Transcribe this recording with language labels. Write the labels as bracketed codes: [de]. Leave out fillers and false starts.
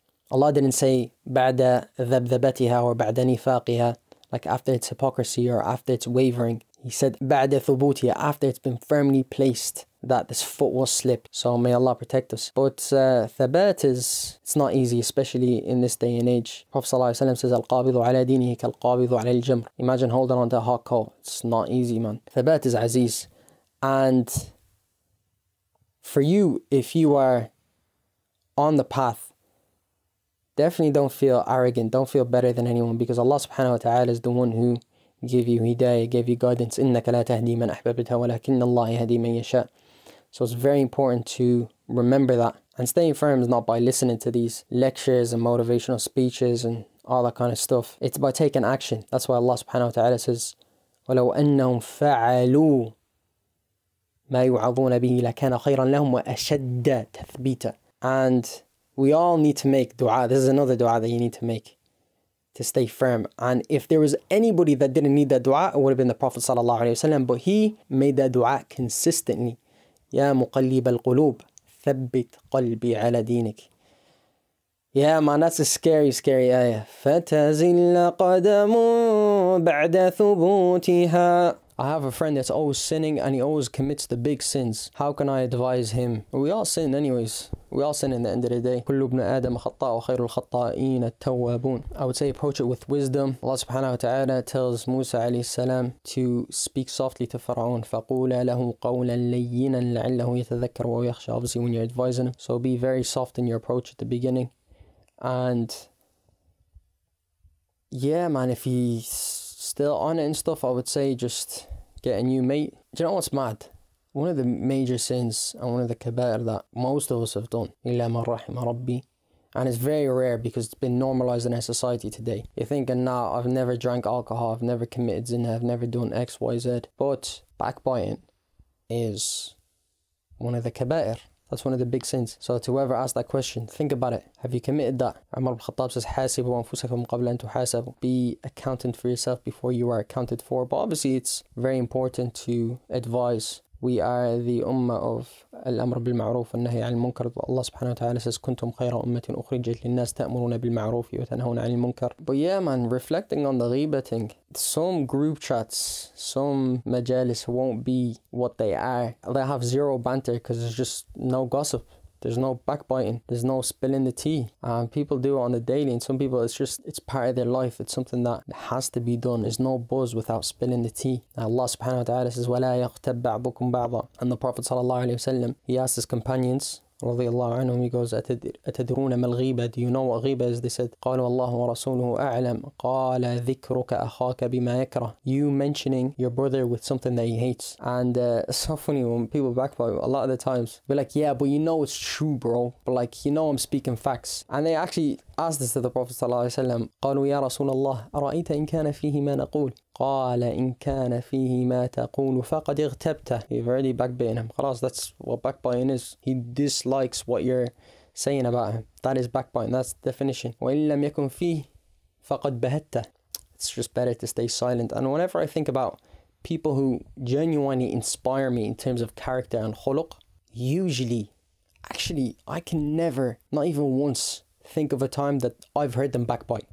[en] Allah didn't say [ar] بَعْدَ ذَبْذَبَتِهَا [en] or [ar] بَعْدَ نِفَاقِهَا, [en] like after its hypocrisy or after its wavering. He said [ar] بَعْدَ ثُبُوتِهَا, [en] after it's been firmly placed, that this foot will slip. So may Allah protect us. But ثَبَات is, it's not easy, especially in this day and age. Prophet ﷺ says [ar] الْقَابِضُ عَلَى دِينِهِ كَالْقَابِضُ عَلَى الْجَمْرِ. [en] Imagine holding on to a hot coal. It's not easy, man. [ar] ثَبَات is عَزِيز. [en] And for you, if you are on the path, definitely don't feel arrogant. Don't feel better than anyone, because Allah subhanahu wa ta'ala is the one who gave you hidayah, gave you guidance. [ar] إِنَّكَ لَا تَهْدِي مَنْ أَحْبَبْتَ وَلَكِنَّ اللَّهَ يَهْدِي مَنْ يَشَاءُ. [en] So it's very important to remember that. And staying firm is not by listening to these lectures and motivational speeches and all that kind of stuff. It's by taking action. That's why Allah subhanahu wa ta'ala says, [ar] وَلَوْ أَنَّهُمْ فَعَلُوا مَا يُعَظُونَ بِهِ لَكَانَ خَيْرًا لَهُمْ وَأَشَدَّ تَثْبِيتًا. [en] And we all need to make dua. This is another dua that you need to make to stay firm. And if there was anybody that didn't need that dua, it would have been the Prophet sallallahu alayhi wa sallam. But he made that dua consistently. [ar] Ya مقلب القلوب ثبت قلبي على دينك. [en] Yeah man, that's a scary ayah. [ar] فتزل قدم بعد ثبوتها. [en] I have a friend that's always sinning and he always commits the big sins. How can I advise him? We all sin anyways. We all sin in the end of the day. [ar] كل ابن آدم خطاء وخير الخطائين التوابون. [en] I would say approach it with wisdom. Allah subhanahu wa ta'ala tells Musa alayhi salam to speak softly to Fir'aun. [ar] فَقُولَ لَهُ قَوْلًا لَيِّنًا لَعِلَّهُ يَتَذَكَّرُ وَيَخْشَى. [en] Obviously when you're advising him. So be very soft in your approach at the beginning. And yeah man, if he's still on it and stuff, I would say just get a new mate. Do you know what's mad? One of the major sins and one of the kabair that most of us have done, [ar] إِلَّا مَنْ رَحِمَ رَبِّي, [en] and it's very rare because it's been normalized in our society today. You're thinking, nah, I've never drank alcohol, I've never committed zina, I've never done X, Y, Z. But backbiting is one of the kabair. That's one of the big sins. So to whoever asked that question, think about it. Have you committed that? [ar] Umar ibn Khattab says, حَاسِبُوا أَنفُسَكُمْ قَبْلَ أَن تُحَاسَبُوا. [en] Be accountant for yourself before you are accounted for. But obviously, it's very important to advise. We are the ummah of [ar] الأمر بالمعروف والنهي عن المنكر. Allah subhanahu wa ta'ala says, كُنْتُمْ خَيْرَ أُمَّةٍ أُخْرِجَتْ لِلنَّاسِ تَأْمُرُونَ بِالْمَعْرُوفِ وَتَنْهَوْنَ عَنِ الْمُنكَرِ. [en] But yeah, man, reflecting on the ghiba thing, some group chats, some majalis won't be what they are. They have zero banter because there's just no gossip. There's no backbiting. There's no spilling the tea. And people do it on the daily. And some people, it's just, it's part of their life. It's something that has to be done. There's no buzz without spilling the tea. And Allah subhanahu wa ta'ala says, [ar] وَلَا يَغْتَبْ بَعْضُكُمْ بَعْضًا. [en] And the Prophet sallallahu alayhi wa sallam, he asked his companions, [ar] رضي الله عنهم, [en] he goes, [ar] أتدرون ما الغيبة? [en] Do you know what غيبة is? They said, [ar] قالوا الله ورسوله أعلم. قال ذكرك أخاك بما يكره. [en] You mentioning your brother with something that he hates. And it's so funny when people backbite a lot of the times. Be like, yeah, but you know it's true, bro. But like, you know I'm speaking facts. And they actually asked this to the Prophet صلى الله عليه وسلم. [ar] قالوا يا رسول الله أرأيت إن كان فيه ما نقول. قال إن كان فيه ما تقول فقد اغتبته. [en] You've already backbiting him. خلاص, that's what backbiting is. He dislikes what you're saying about him. That is backbiting. That's the definition. [ar] وإن لم يكن فيه فقد بهته. [en] It's just better to stay silent. And whenever I think about people who genuinely inspire me in terms of character and khuluq, usually, actually, I can never, not even once, think of a time that I've heard them backbite.